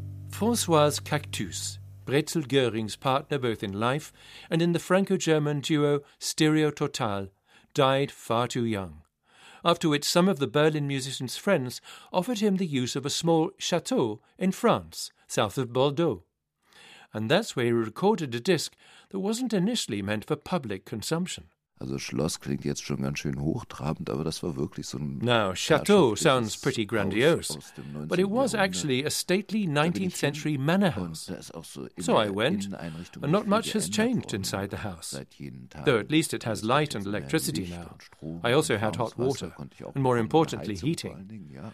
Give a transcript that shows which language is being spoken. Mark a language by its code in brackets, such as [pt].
[en] Françoise Cactus, Brezel Göring's partner both in life and in the Franco-German duo Stereo Total, died far too young. After which some of the Berlin musician's friends offered him the use of a small chateau in France, south of Bordeaux. And that's where he recorded a disc that wasn't initially meant for public consumption. [de] Also Schloss klingt jetzt schon ganz schön hochtrabend, aber das war wirklich so ein... [en] Now, chateau sounds pretty grandiose, but it was actually a stately 19th century manor house. So I went, and not much has changed inside the house, though at least it has light and electricity now. I also had hot water, and more importantly, heating.